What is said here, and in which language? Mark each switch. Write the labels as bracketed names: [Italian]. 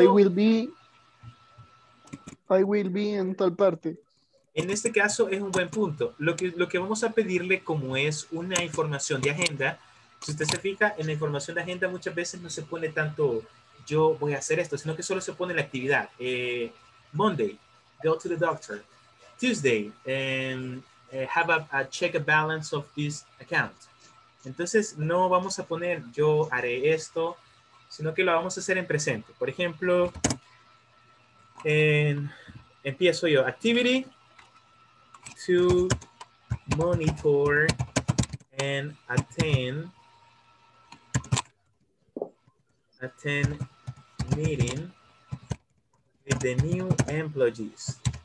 [English] I will be [Spanish] en tal parte. En este caso es un buen punto. Lo que vamos a pedirle, como es una información de agenda, si usted se fija, en la información de agenda muchas veces no se pone tanto yo voy a hacer esto, sino que solo se pone la actividad. [English] Monday, go to the doctor. Tuesday, have a check a balance of this account. [Spanish] Entonces no vamos a poner yo haré esto, sino que lo vamos a hacer en presente. Por ejemplo, empiezo yo. [English] Activity to monitor and attend meeting with the new employees.